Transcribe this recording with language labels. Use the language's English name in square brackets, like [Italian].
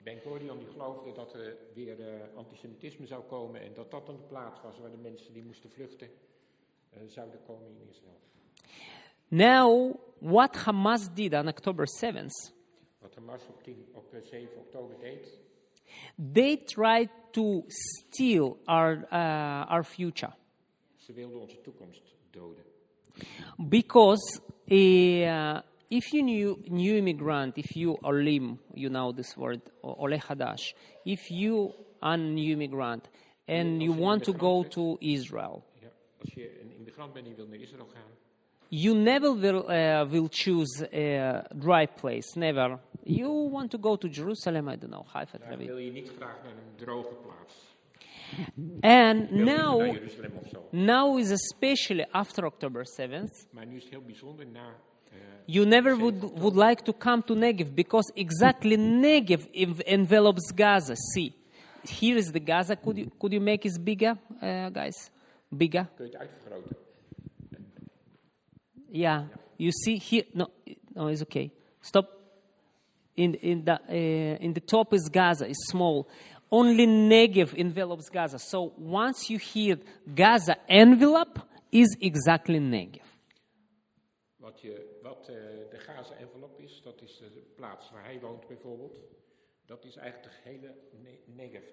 [Dutch] Ben-Gurion geloofde dat er weer antisemitisme zou komen en dat dat een plaats was waar de mensen die moesten vluchten zouden komen in Israël. [English] Now, what Hamas did on October 7th, [Dutch] what Hamas op 7 October deed, [English] they tried to steal our future. [Dutch] Ze wilden onze toekomst doden. [English] Because if you new immigrant, if you olim, you know this word, ole hadash, if you are a new immigrant and you want to go to Israel, [Dutch] ja, als je een immigrant bent en je wilt naar Israël gaan, [English] you never will choose a dry place, never. You want to go to Jerusalem, I don't know, Haifa, [Dutch] Tel Aviv. Wil je niet graag naar een droge plaats. [English] And now is especially after October 7th. [Dutch] Maar nu is het heel bijzonder na, [English] you never would like to come to Negev, because exactly Negev envelops Gaza. See, here is the Gaza. Could you make it bigger, guys? Bigger? [Dutch] Kun je het uitvergroten? [English] Yeah, you see here. No, it's okay. Stop. In the top is Gaza. It's small. Only Negev envelops Gaza. So once you hear Gaza envelope, is exactly Negev. What the Gaza envelope is? That is the place where he [Dutch] woont, bijvoorbeeld. [English] That is [Dutch] eigenlijk de hele Negev.